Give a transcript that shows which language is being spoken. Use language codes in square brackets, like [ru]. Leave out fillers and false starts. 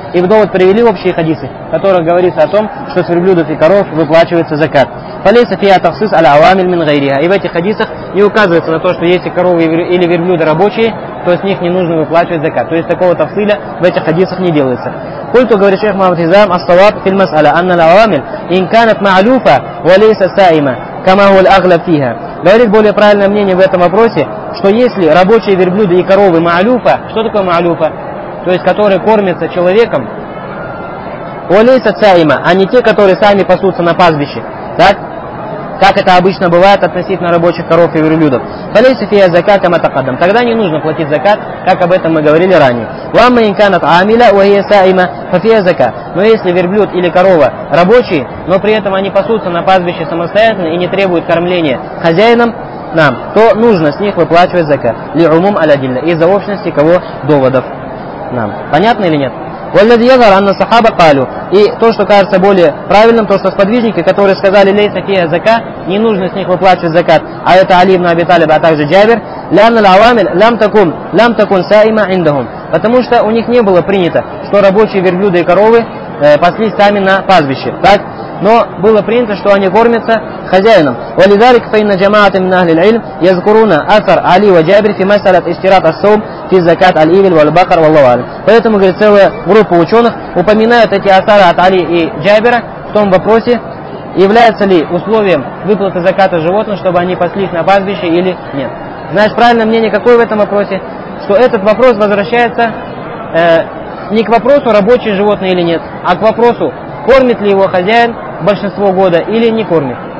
[ru] И в довод привели общие хадисы, в которых говорится о том, что с верблюдов и коров выплачивается закат. [ar] فَلَيْسَ فِيهَا تَخْصِيصٌ عَلَى أَوَامِلٍ مِنْ غَيْرِهَا. [ru] И в этих хадисах не указывается на то, что если коровы или верблюды рабочие, то с них не нужно выплачивать закат. То есть такого тафсиля в этих хадисах не делается. [ar] قُلْتُ [ru] говорит шейх Мухаммад Хизам [ar] الصواب في المسألة أن الأوامل إن كانت معلوفة وليس سائمة كما هو الأغلب فيها. [ru] Говорит, более правильное мнение в этом вопросе, что если рабочие верблюды и коровы маалюфа, что такое маалюфа? То есть, которые кормятся человеком, [ar] олейса цаима, [ru] а не те, которые сами пасутся на пастбище. Так? Как это обычно бывает относительно рабочих коров и верблюдов. [ar] Олейса фия закат аматакадам. [ru] Тогда не нужно платить закат, как об этом мы говорили ранее. [ar] Ламма инканат аамиля уайя цаима фия закат. [ru] Но если верблюд или корова рабочие, но при этом они пасутся на пастбище самостоятельно и не требуют кормления хозяином, нам, то нужно с них выплачивать закат. [ar] Ли умум аля дилля. [ru] Из-за общности кого доводов нам. Понятно или нет? [ar] والذي يظهر أن الصحابة قالوا. [ru] И то, что кажется более правильным, то, что сподвижники, которые сказали [ar] лейса фия зака, [ru] не нужно с них выплачивать закат, а это Али ибн Аби Талиб, а также Джабир, [ar] لأن العوامل لم تكن سائمة عندهم. [ru] Потому что у них не было принято, что рабочие верблюды и коровы паслись сами на пастбище. Так? Но было принято, что они кормятся хозяином. [ar] ولذلك فإن جماعة من أهل العلم يذكرون أثر علي وجابر في مسألة اشتراط الصوم في زكاة الإبل والبقر والله أعلم. [ru] Поэтому, говорит, целая группа ученых упоминает эти асары от Али и Джабера в том вопросе, является ли условием выплаты заката животных, чтобы они паслись на пастбище или нет. Знаешь, правильное мнение какое в этом вопросе? Что этот вопрос возвращается не к вопросу, рабочие животные или нет, а к вопросу, кормит ли его хозяин большинство года или не кормит.